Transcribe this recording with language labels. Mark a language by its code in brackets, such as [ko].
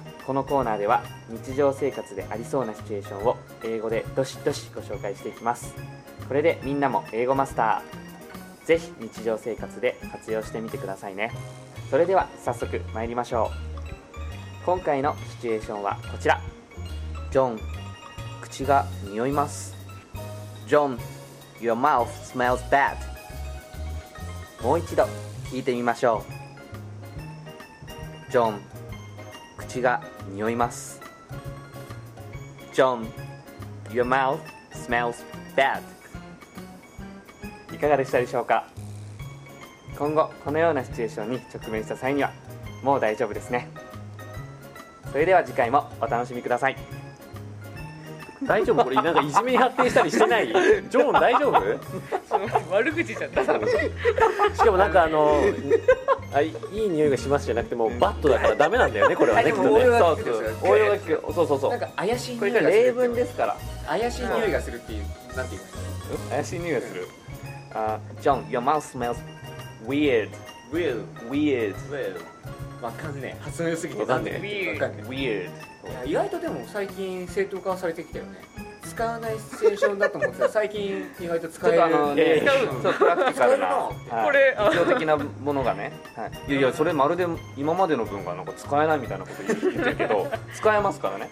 [ja] このコーナーでは日常生活でありそうなシチュエーションを英語でどしどしご紹介していきます。これでみんなも英語マスター。ぜひ日常生活で活用してみてくださいね。それでは早速参りましょう。今回のシチュエーションはこちら。ジョン、口が臭います。 [en] John, your mouth smells bad. [ja] もう一度聞いてみましょう。 John, 口が臭います。 [en] John, your mouth smells bad. [ja] いかがでしたでしょうか。今後このようなシチュエーションに直面した際にはもう大丈夫ですね。それでは次回もお楽しみください。大丈夫、これなんかいじめに発展したりしてない？ジョーン大丈夫？悪口じゃった。しかもなんかあのあ、いい匂いがしますじゃなくてもうバットだからダメなんだよね、これはね。でも応用が効くでしょ。そうそうそう、なんか怪しい匂いがする。これ例文ですから。怪しい匂いがするっていう、なんて言います？怪しい匂いがする。 [en] ジョーン、your mouth smells weird. Weird. Weird. [ja] わかんねえ、発音良すぎてわかんねえ。 [en] Weird. [ja] いや、意外とでも最近正当化されてきたよね。使わないシチュエーションだと思ってた。最近意外と使える。ちょっとあのね、使う、ちょっとプラクティカルな、はい、これ実用的なものがね、はい、いやいや、それまるで今までの分がなんか使えないみたいなこと言ってるけど使えますからね。